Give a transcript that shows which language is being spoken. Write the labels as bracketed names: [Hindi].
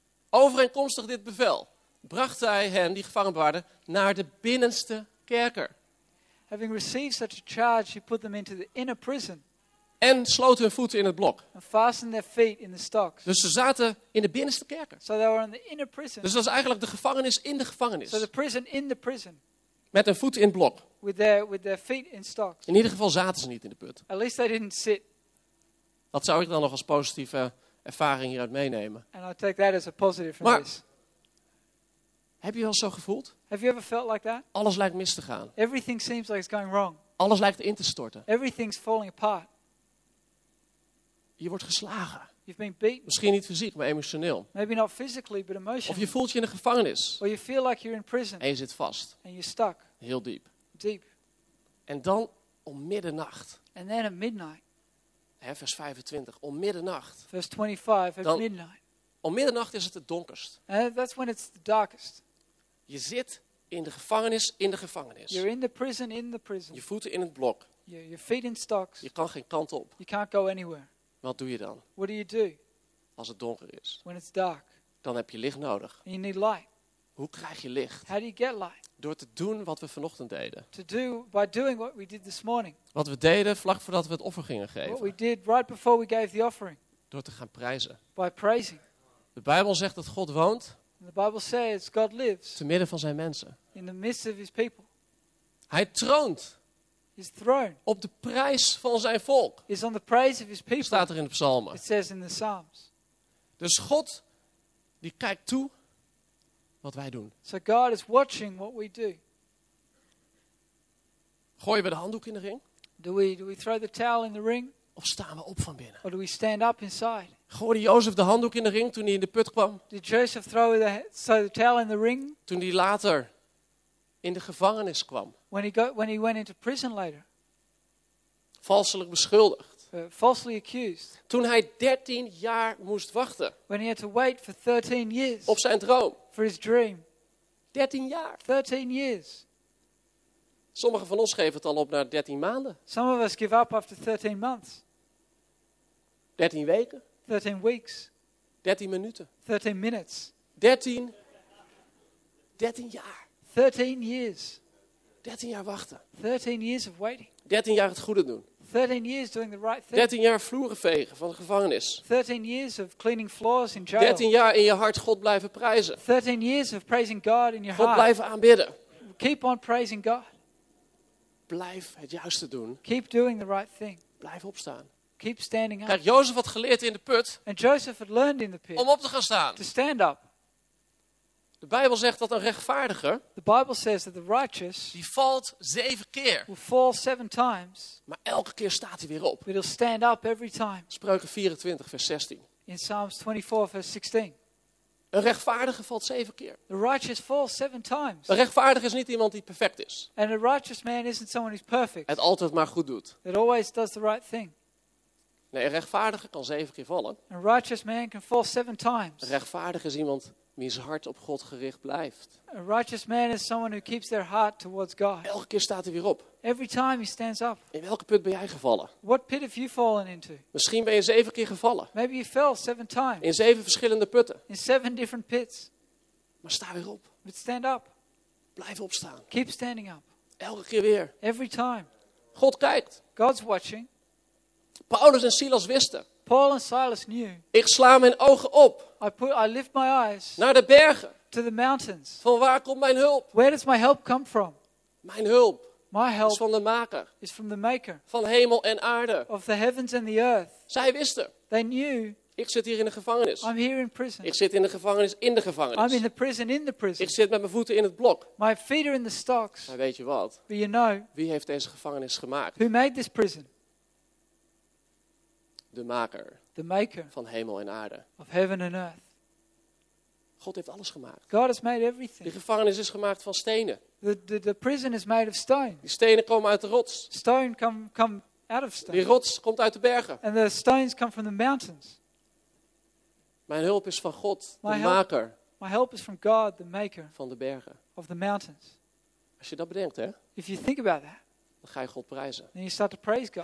[Dutch] Overeenkomstig dit bevel bracht hij hen, die gevangen waren, naar de binnenste kerker. [English] Having received such a charge, he put them into the inner prison. [Dutch] En sloot hun voeten in het blok. [English] And fastened their feet in the stocks. [Dutch] Dus ze zaten in de binnenste kerker. [English] So they were in the inner prison. [Dutch] Dus dat is eigenlijk de gevangenis in de gevangenis. [English] So the prison in the prison. [Dutch] Met hun voeten in het blok. [English] With their feet in stocks. [Dutch] In ieder geval zaten ze niet in de put. [English] At least they didn't sit. [Dutch] Dat zou ik dan nog als positieve ervaring hieruit meenemen. [English] And I take that as a positive from [Dutch] maar, [English] this. [Dutch] Heb je wel zo gevoeld? [English] Have you ever felt like that? [Dutch] Alles lijkt mis te gaan. [English] Everything seems like it's going wrong. [Dutch] Alles lijkt in te storten. [English] Everything's falling apart. [Dutch] Je wordt geslagen. [English] You've been beaten. [Dutch] Misschien niet fysiek, maar emotioneel. [English] Maybe not physically, but emotionally. [Dutch] Of je voelt je in de gevangenis. [English] Or you feel like you're in prison. [Dutch] En je zit vast. [English] And you're stuck. [Dutch] Heel diep. [English] Deep. [Dutch] En dan om middernacht. [English] And then at midnight. [Dutch] Hè, vers 25, om middernacht. [English] Vers 25, at midnight. [Dutch] Om middernacht is het donkerst. [English] That's when it's the darkest. [Dutch] Je zit in de gevangenis, in de gevangenis. [English] You're in the prison, in the prison. [Dutch] Je voeten in het blok. [English] Your feet in stocks. [Dutch] Je kan geen kant op. [English] You can't go anywhere. [Dutch] Wat doe je dan? [English] What do you do? [Dutch] Als het donker is. [English] When it's dark. [Dutch] Dan heb je licht nodig. [English] And you need light. [Dutch] Hoe krijg je licht? [English] How do you get light? [Dutch] Door te doen wat we vanochtend deden. [English] To do by doing what we did this morning. [Dutch] Wat we deden vlak voordat we het offer gingen geven. [English] What we did right before we gave the offering. [Dutch] Door te gaan prijzen. [English] By praising. [Dutch] De Bijbel zegt dat God woont. [English] The Bible says God lives. [Dutch] Te midden van zijn mensen. [English] In the midst of his people. [Dutch] Hij troont. [English] His throne. [Dutch] Op de prijs van zijn volk. [English] Is on the praise of his people. [Dutch] Staat er in de psalmen. [English] It says in the psalms. [Dutch] Dus God die kijkt toe wat wij doen. [English] So God is watching what we do. [Dutch] Gooien we de handdoek in de ring? [English] Do we throw the towel in the ring? [Dutch] Of staan we op van binnen? [English] Or do we stand up inside? [Dutch] Gooide Jozef de handdoek in de ring toen hij in de put kwam? [English] Did Joseph throw the towel in the ring? [Dutch] Toen hij later in de gevangenis kwam. [English] When he went into prison later. [Dutch] Valselijk beschuldigd. [English] Falsely accused. [Dutch] Toen hij 13 jaar moest wachten. [English] When he had to wait for 13 years. [Dutch] Op zijn droom. [English] For his dream. [Dutch] 13 jaar. [English] 13 years. [Dutch] Sommigen van ons geven het al op na 13 maanden. [English] Some of us give up after 13 months. [Dutch] 13 weken. [English] 13 weeks. [Dutch] 13 minuten. [English] 13 minutes. [Dutch] 13 jaar. [English] 13 years. [Dutch] 13 jaar wachten. [English] 13 years of waiting. [Dutch] 13 jaar het goede doen. [English] 13 years doing the right thing. [Dutch] 13 jaar vloeren vegen van de gevangenis. [English] 13 years of cleaning floors in jail. [Dutch] 13 jaar in je hart God blijven prijzen. [English] 13 years of praising God in your God heart. [Dutch] God blijven aanbidden. [English] Keep on praising God. [Dutch] Blijf het juiste doen. [English] Keep doing the right thing. [Dutch] Blijf opstaan. [English] Keep standing up. [Dutch] Kijk, Jozef had geleerd in de put. [English] And Joseph had learned in the pit. [Dutch] Om op te gaan staan. [English] To stand up. [Dutch] De Bijbel zegt dat een rechtvaardiger. [English] The Bible says that the righteous. [Dutch] Die valt 7 keer. [English] Will fall 7 times. [Dutch] Maar elke keer staat hij weer op. [English] But he'll stand up every time. [Dutch] Spreuken 24 vers 16. [English] In Psalms 24 verse 16. [Dutch] Een rechtvaardige valt 7 keer. [English] The righteous falls 7 times. [Dutch] Een rechtvaardige is niet iemand die perfect is. [English] And a righteous man isn't someone who's perfect. [Dutch] Het altijd maar goed doet. [English] That always does the right thing. [Dutch] Nee, een rechtvaardige kan 7 keer vallen. [English] A righteous man can fall 7 times. [Dutch] Een rechtvaardige is iemand wiens hart op God gericht blijft. [English] A righteous man is someone who keeps their heart towards God. [Dutch] Elke keer staat hij weer op. [English] Every time he stands up. [Dutch] In welke put ben jij gevallen? [English] What pit have you fallen into? [Dutch] Misschien ben je 7 keer gevallen. [English] Maybe you fell 7 times. [Dutch] In 7 verschillende putten. [English] In 7 different pits. [Dutch] Maar sta weer op. [English] But stand up. [Dutch] Blijf opstaan. [English] Keep standing up. [Dutch] Elke keer weer. [English] Every time. [Dutch] God kijkt. [English] God's watching. [Dutch] Paulus en Silas wisten. [English] Paul and Silas knew. [Dutch] Ik sla mijn ogen op. [English] I lift my eyes. [Dutch] Naar de bergen. [English] To the mountains. [Dutch] Van waar komt mijn hulp? [English] Where does my help come from? [Dutch] Mijn hulp. [English] My help [Dutch] is van de Maker. [English] Is from the Maker. [Dutch] Van hemel en aarde. [English] Of the heavens and the earth. [Dutch] Zij wisten. [English] They knew. [Dutch] Ik zit hier in de gevangenis. [English] I'm here in prison. [Dutch] Ik zit in de gevangenis in de gevangenis. [English] I'm in the prison in the prison. [Dutch] Ik zit met mijn voeten in het blok. [English] My feet are in the stocks. [Dutch] Maar weet je wat? [English] But you know. [Dutch] Wie heeft deze gevangenis gemaakt? [English] Who made this prison? [Dutch] De Maker. [English] The Maker. [Dutch] Van hemel en aarde. [English] Of heaven and earth. [Dutch] God heeft alles gemaakt. [English] God has made everything. [Dutch] De gevangenis is gemaakt van stenen. [English] The prison is made of stone. [Dutch] Die stenen komen uit de rots. [English] Stone come out of stone. [Dutch] Die rots komt uit de bergen. [English] And the stones come from the mountains. [Dutch] Mijn hulp is van God, de Maker. [English] My help is from God, the Maker. [Dutch] Van de bergen. [English] Of the mountains. [Dutch] Als je dat bedenkt, hè? [English] If you think about that. [Dutch] Dan ga je God prijzen. [English] Then you start to praise God.